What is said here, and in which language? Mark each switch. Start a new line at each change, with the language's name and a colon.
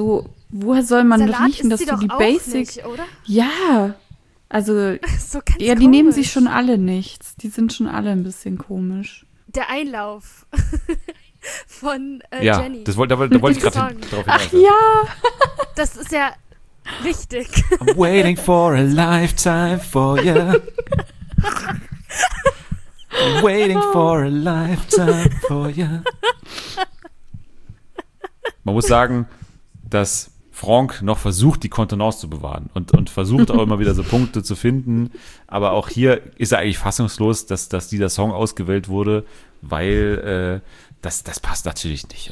German: So, woher soll man Salat riechen, dass sie so die auch Basic... Nicht, oder? Ja, also, so ja, die komisch. Nehmen sich schon alle nichts. Die sind schon alle ein bisschen komisch. Der Einlauf von ja, Jenny. Das da wollte ich gerade drauf hinweisen. Ach ja! Das ist ja richtig.
English: I'm waiting for a lifetime for you. I'm waiting for a lifetime for you.
German: Man muss sagen, dass Franck noch versucht, die Kontenance zu bewahren und versucht auch immer wieder so Punkte zu finden. Aber auch hier ist er eigentlich fassungslos, dass dieser Song ausgewählt wurde, weil das passt natürlich nicht.